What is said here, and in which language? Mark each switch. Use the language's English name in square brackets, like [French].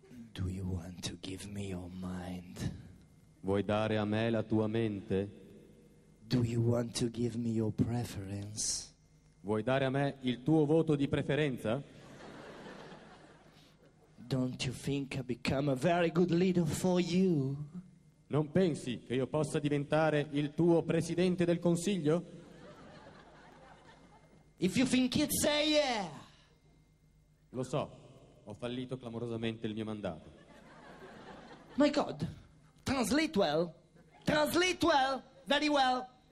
[English] Do you want to give me your mind? [Italian] Vuoi dare a me la tua mente? [English] Do you want to give me your preference? [Italian] Vuoi dare a me il tuo voto di preferenza? [English] Don't you think I become a very good leader for you? [Italian] Non pensi che io possa diventare il tuo presidente del consiglio? [English] If you think it, say yeah! [Italian] Lo so, ho fallito clamorosamente il mio mandato. [English] My God, translate well! Translate well! Very well!